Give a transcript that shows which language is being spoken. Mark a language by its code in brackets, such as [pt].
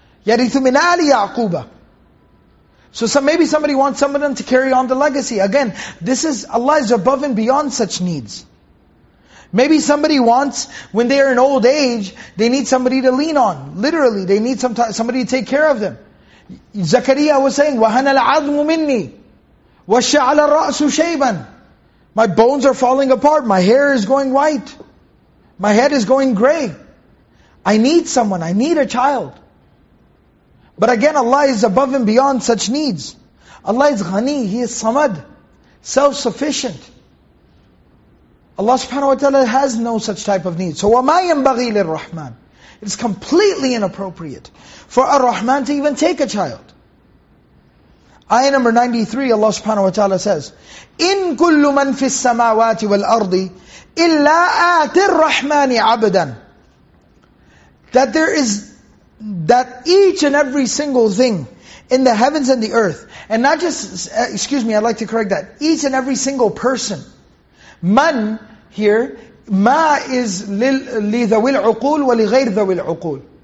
[ar] يَرِثُ مِنْ عَلِي يَعْقُوبَ. [en] So maybe somebody wants some of them to carry on the legacy. Again, this is Allah is above and beyond such needs. Maybe somebody wants, when they are in old age, they need somebody to lean on. Literally, they need somebody to take care of them. Zakariya was saying, [ar] وَهَنَ الْعَظْمُ مِنِّي وَشَّعَلَ الرَّأْسُ شَيْبًا. [en] My bones are falling apart, my hair is going white, my head is going gray. I need someone, I need a child. But again, Allah is above and beyond such needs. Allah is ghani, He is samad, self-sufficient. Allah subhanahu wa ta'ala has no such type of need. So [ar] وَمَا يَنْبَغِي لِلْرَّحْمَنِ. [en] It's completely inappropriate for Ar-Rahman to even take a child. Ayah number 93, Allah subhanahu wa ta'ala says, [ar] إِنْ كُلُّ مَنْ فِي السَّمَاوَاتِ وَالْأَرْضِ إِلَّا آتِ الرَّحْمَنِ عَبْدًا. [en] That there is, that each and every single thing in the heavens and the earth, and not just, excuse me, I'd like to correct that, each and every single person. Man here, ma is li [ar] ذوي العقول ولغير ذوي العقول.